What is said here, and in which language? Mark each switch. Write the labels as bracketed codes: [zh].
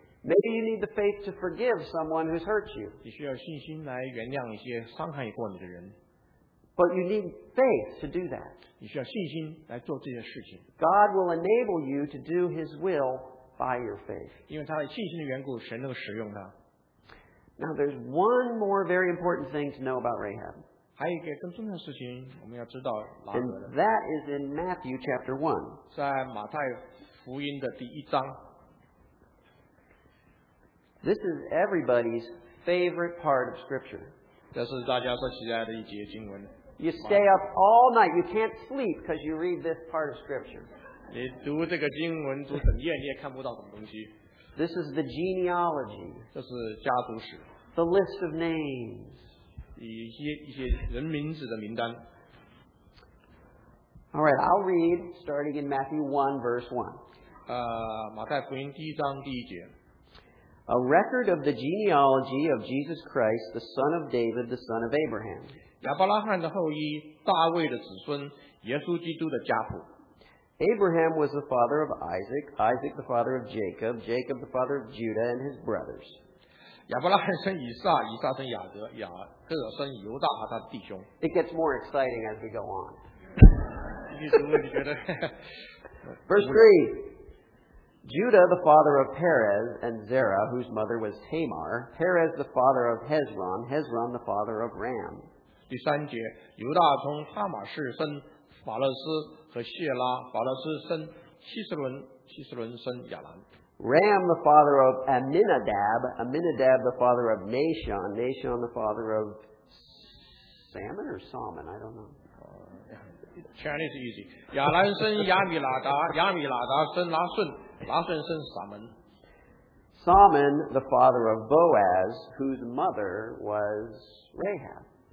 [en] Maybe you need the faith to forgive someone who's hurt you. [zh] 你需要信心来原谅一些伤害过你的人。 [en] But you need faith to do that. [zh] 你需要信心来做这些事情。 [en] God will enable you to do His will by your faith. [zh] 因为他的信心的缘故，神能使用他。 [en] Now there's one more very important thing to know about Rahab. [zh] 还有一个更重要的事情，我们要知道拉合。 [en] And that is in Matthew chapter 1. [zh] 在马太福音的第一章。 [en] This is everybody's favorite part of Scripture. [zh] 这是大家最喜爱的一节经文。 [en] You stay up all night, you can't sleep because you read this part of Scripture. [zh] 你读这个经文读整夜，你也看不到什么东西。 [en] This is the genealogy. [zh] 这是家族史。 [en] The list of names. [zh] 一些人名字的名单。 [en] All right, I'll read starting in Matthew 1, verse 1. [zh] 马太福音第一章第一节。 [en] A record of the genealogy of Jesus Christ, the son of David, the son of Abraham. [zh] 亚伯拉罕的后裔，大卫的子孙，耶稣基督的家谱。 [en] Abraham was the father of Isaac, Isaac the father of Jacob, Jacob the father of Judah and his brothers. [zh] 亚伯拉罕生以撒，以撒生雅各，雅各生犹大和他的弟兄。 [en] It gets more exciting as we go on. Verse 3. Judah, the father of Perez and Zerah, whose mother was Tamar. Perez, the father of Hezron. Hezron, the father of Ram. [zh] 第三节，犹大从他玛士生法勒斯和谢拉，法勒斯生希斯伦，希斯伦生亚兰。 [en] Ram, the father of Amminadab. Amminadab, the father of Nahshon. Nahshon, the father of Salmon or Salmon, I don't know. Chinese easy. [zh] 亚兰生亚米拉达，亚米拉达生拉顺。 Lasun son Salmon. [en] Salmon, the father of Boaz, whose mother was Rahab.